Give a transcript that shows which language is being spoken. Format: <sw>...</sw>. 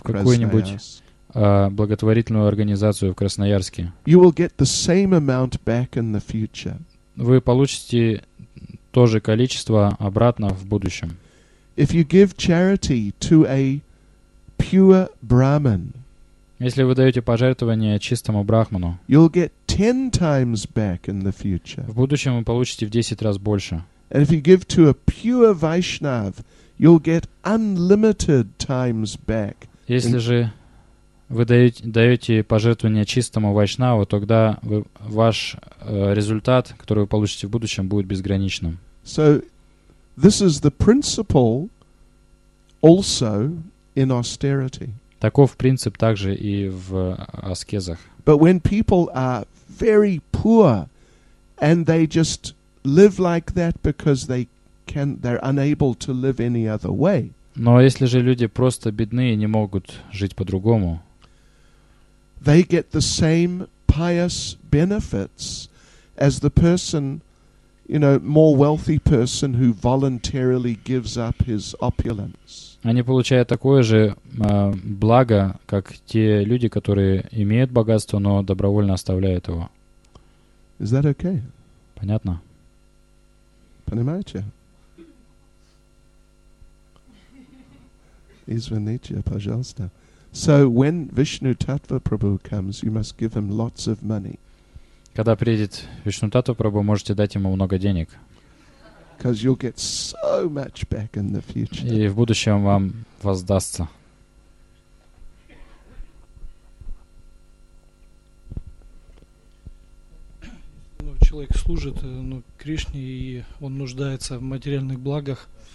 <ru>какой-нибудь благотворительную организацию в Красноярске,</ru> <en>you will get the same amount back in the future.</en> <ru>Вы получите то же количество обратно в будущем.</ru> <en>If you give charity to a pure Brahman,</en> <ru>если вы даете пожертвование чистому брахману,</ru> <en>you'll get 10 times back in the future.</en> <ru>В будущем вы получите в 10 раз больше.</ru> <en>And if you give to a pure Vaishnav, you'll get unlimited times back.</en> <ru>Если же вы даете пожертвование чистому вайшнаву, тогда ваш результат, который вы получите в будущем, будет безграничным.</ru> <en>So, this is the principle also in austerity.</en> <ru>Таков принцип также и в аскезах.</ru> <en>But when people are very poor and they just live like that because they're unable to live any other way.</en> <ru>Но если же люди просто бедны и не могут жить по-другому,</ru> <en>they get the same pious benefits as the person, you know, more wealthy person who voluntarily gives up his opulence.</en> <ru>Они получают такое же благо, как те люди, которые имеют богатство, но добровольно оставляют его.</ru> <en>Is that okay?</en> <ru>Понятно. Понимаете? Извините, пожалуйста.</ru> <en>So when Vishnu Tattva Prabhu comes, you must give him lots of money.</en> <ru>Когда приедет Вишну Таттва Прабху, можете дать ему много денег.</ru> <en>Because you'll get so much back in the future.</en> <ru>И в будущем вам воздастся. Ну, человек служит Кришне, и он нуждается в материальных благах.</ru>